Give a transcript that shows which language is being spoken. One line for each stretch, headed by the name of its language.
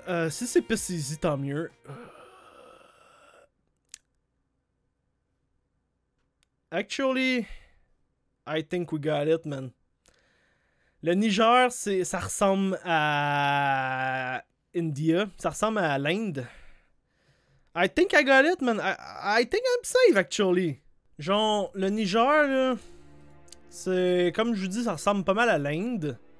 French: Si c'est pas si easy, tant mieux.
English: Actually, I think we got it, man.
French: Le Niger, ça ressemble à... India. Ça ressemble à l'Inde.
English: I think I got it, man. I think I'm safe, actually.
French: Genre, le Niger, là... C'est... Comme je vous dis, ça ressemble pas mal à l'Inde.